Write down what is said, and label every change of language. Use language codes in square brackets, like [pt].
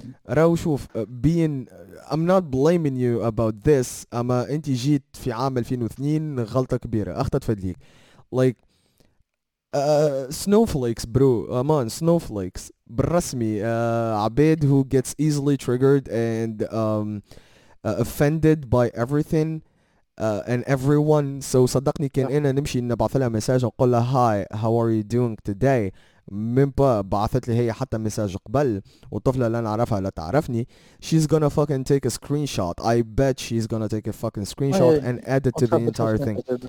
[ar] راو شوف [en] I'm not blaming you about this. [ar] أما أنت جيت في عام 2002 غلطة كبيرة أخطأت فديك. [en] Like snowflakes, bro. Man, snowflakes. [ar] بالرسمي عباد [en] who gets easily triggered and offended by everything and everyone. So [ar] صدقني كان أنا نمشي نبعث لها مساج نقول لها [en] hi, how are you doing today. [ar] من با بعثت لي هي حتى مساج قبل والطفلة اللي أنا عرفها لا تعرفني. [en] She's gonna fucking take a screenshot. I bet she's gonna take a fucking screenshot and add it to the entire thing.